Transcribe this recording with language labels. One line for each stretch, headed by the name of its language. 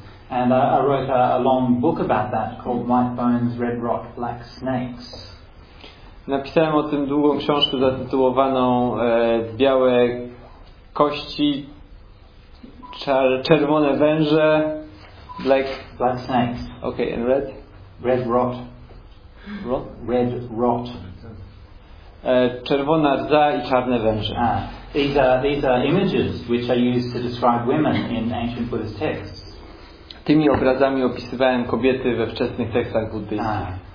English: And I wrote a long book about that called White Bones, Red Rot, Black Snakes.
Polish: Napisałem o tym długą książkę zatytułowaną Białe kości, czerwone węże,
English: Black snakes. Okay, and red? Red rot. Rot? Red rot.
Polish: Czerwona rdza i czarne węże.
English: These are images which are used to describe women in ancient Buddhist texts.
Polish: Tymi obrazami opisywałem kobiety we wczesnych tekstach buddyjskich.